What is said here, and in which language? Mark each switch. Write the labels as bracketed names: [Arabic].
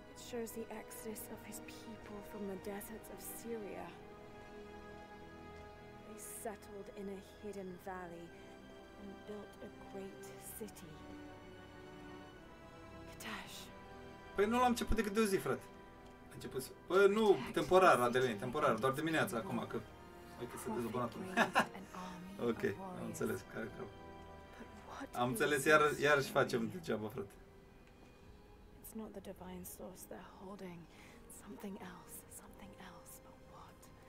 [English] The exodus of his people from the deserts of Syria. They settled in a hidden valley and built a great city. Kadesh. [Romanian] Păi nu l-am început decât de o zi, frate. A început să... Păi nu, temporar, Adeline, temporar, doar dimineața acum, că... Uite că se dezbonat. Ok, am înțeles. Am înțeles, iar și facem degeaba, frate. [English] Not the divine source they're holding, something else, but what?